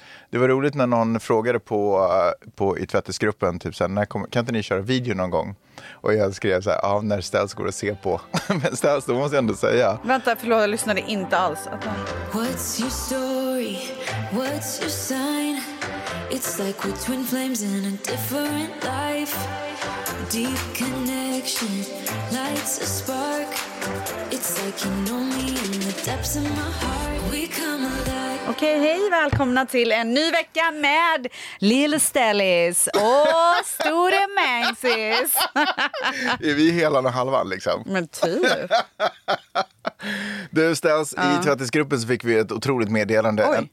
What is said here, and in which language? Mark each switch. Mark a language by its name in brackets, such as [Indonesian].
[Swedish] Det var roligt när någon frågade på i tvättesgruppen, typ så här, när kan inte ni köra video någon gång? Och jag skrev så här, ah, när Ställs går att se på. Men Ställs, då måste jag ändå säga. Vänta, förlåt, jag lyssnade inte alls. [English] What's your story? What's your sign? It's like we're twin flames in a different life. Deep connection, lights a spark. It's like you know me in the depths of my heart. We come alive. [Swedish] Okej, hej, välkomna till en ny vecka med Lil Stellis och Store Mansis. Är vi hela och halvan liksom? Men typ. Du Ställs, ja. I tvättisgruppen så fick vi ett otroligt meddelande.